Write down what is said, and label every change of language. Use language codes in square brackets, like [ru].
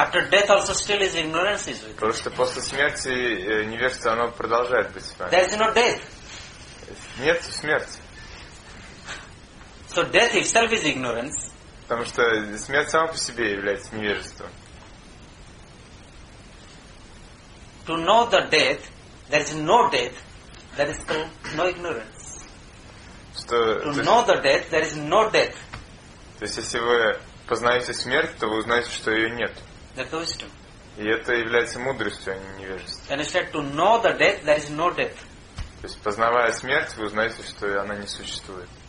[en] After death also still is ignorance. [ru] Потому что после смерти невежество оно продолжает быть с вами. [en] There is no death. [ru] Нет смерти. [en] So death itself is ignorance. [ru] Потому что смерть сама по себе является невежеством. [en] To know the death, there is no death, there is no ignorance. [ru] Что, [en] to know the death, there is no death. [ru] То есть, если вы познаете смерть, то вы узнаете, что ее нет. [en] That's wisdom. [ru] И это является мудростью, а не невежеством. [en] And I said, to know the death, there is no death. [ru] То есть, познавая смерть, вы узнаете, что она не существует.